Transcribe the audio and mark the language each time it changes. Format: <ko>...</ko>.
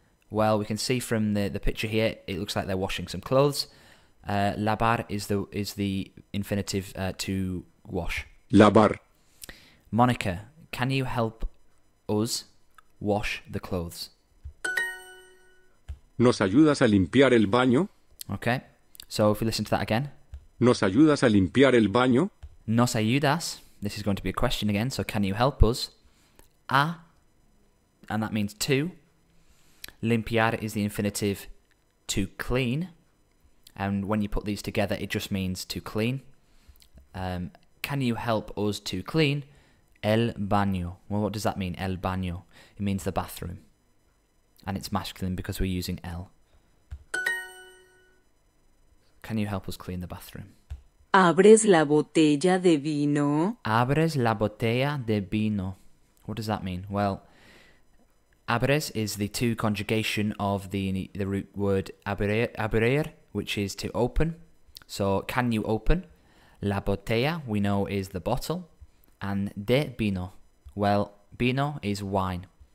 <en>Well, we can see from the picture here, it looks like they're washing some clothes. Lavar is the infinitive to wash. Lavar. Monica, can you help us wash the clothes?</en> <es>¿Nos ayudas a limpiar el baño?</es> <en>Okay, so if we listen to that again.</en> <es>¿Nos ayudas a limpiar el baño? ¿Nos ayudas?</es> <en>This is going to be a question again, so can you help us? A, and that means to. Limpiar is the infinitive to clean. And when you put these together, it just means to clean. Can you help us to clean el baño? Well, what does that mean, el baño? It means the bathroom. And it's masculine because we're using el. Can you help us clean the bathroom?</en> <es>¿Abres la botella de vino? ¿Abres la botella de vino?</es> <en>What does that mean? Well, abres is the to conjugation of the root word abrir, which is to open. So, can you open? La botella, we know, is the bottle. And de vino. Well, vino is wine.</en>